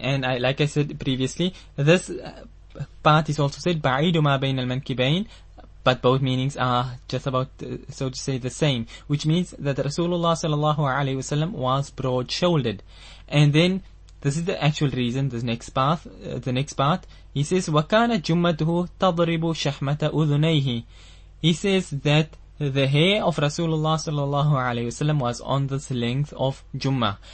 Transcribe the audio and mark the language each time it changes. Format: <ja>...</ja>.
<en>And like I said previously, this part is also said,</en> <ar>"بَعِيدُ مَا بَيْنَ الْمَنْكِبَيْنِ."</ar> <en>But both meanings are just about, so to say, the same, which means that Rasulullah sallallahu alayhi wasallam was broad-shouldered. And then this is the actual reason, the next part. He says,</en> <ar>وَكَانَ جُمَّتُهُ تَضْرِبُ شَحْمَةَ أُذُنَيْهِ.</ar> <en>He says that the hair of Rasulullah sallallahu alayhi wasallam was on this length of Jummah.</en>